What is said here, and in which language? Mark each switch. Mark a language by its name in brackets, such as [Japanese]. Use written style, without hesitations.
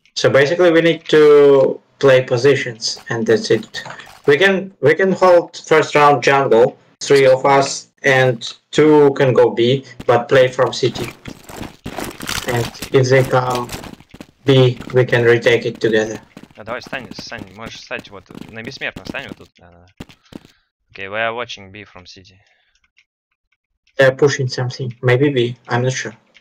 [English] So basically we need to play positions and that's it. We can hold first round jungle, three of us, and two can go B, but play from city. And if they come B, we can retake it together. [Russian] Давай встань, Сань, можешь встать вот на бессмертно, встань вот тут. [English] Okay, we are watching B from city. They're pushing something, maybe B, I'm not sure.